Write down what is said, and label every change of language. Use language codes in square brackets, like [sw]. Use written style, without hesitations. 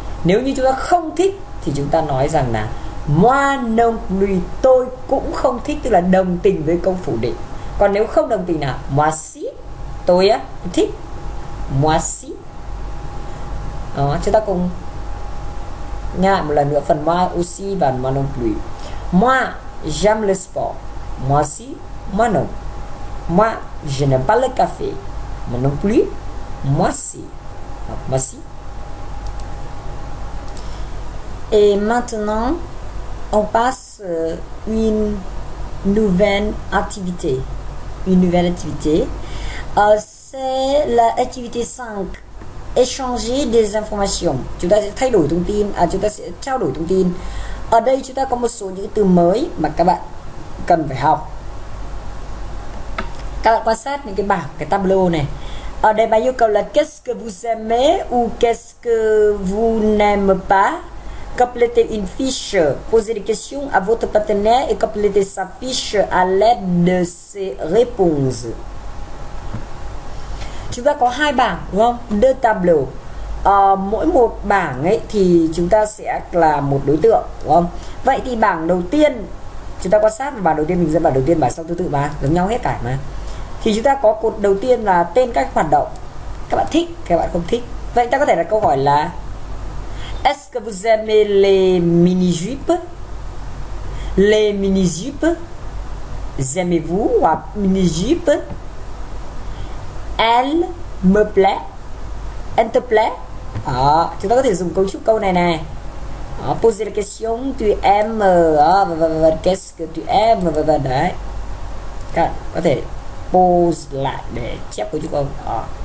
[vi] Nếu như chúng ta không thích thì chúng ta nói rằng là [fr] moi non plus, [vi] tôi cũng không thích, tức là đồng tình với câu phủ định. Còn nếu không đồng tình nào, [fr] moi si, [vi] tôi á thích, moi si. Đó, chúng ta cùng nghe lại một lần nữa phần [fr] moi aussi [vi] và [fr] moi non plus. Moi j'aime le sport, moi si, moi non. Moi je n'aime pas le café, moi non plus, moi si. Donc, moi si. Et maintenant on passe une nouvelle activité. Une nouvelle activité, c'est la activité 5, échanger des informations. [vi] Chúng ta sẽ thay đổi thông tin, chúng ta sẽ trao đổi thông tin. Ở đây chúng ta có một số những từ mới mà các bạn cần phải học. Các bạn quan sát những cái bảng, cái tableau này. Ở đây bài yêu cầu là [fr] qu'est-ce que vous aimez ou qu'est-ce que vous n'aimez pas? Compléter une fiche, poser des questions à votre partenaire et compléter sa fiche à l'aide de ses réponses. [vi] Chúng ta có hai bảng, đúng không? [fr] Deux tableaux. [vi] Mỗi một bảng ấy thì chúng ta sẽ là một đối tượng, đúng không? Vậy thì bảng đầu tiên, chúng ta quan sát bảng đầu tiên, mình dẫn bảng đầu tiên, bảng sau thứ tự ba giống nhau hết cả mà. Thì chúng ta có cột đầu tiên là tên các hoạt động. Các bạn thích, các bạn không thích. Vậy ta có thể đặt câu hỏi là [fr] est-ce que vous aimez les mini-jupes? Les mini-jupes? Aimez-vous à mini-jupes? Elle me plaît? Elle te plaît? [vi] À, chúng ta có thể dùng câu trúc câu này này. [fr] À, poser la question, tu aimes, qu'est-ce que tu aimes? [vi] Đấy. Các bạn có thể pose lại để chép câu trúc câu. À.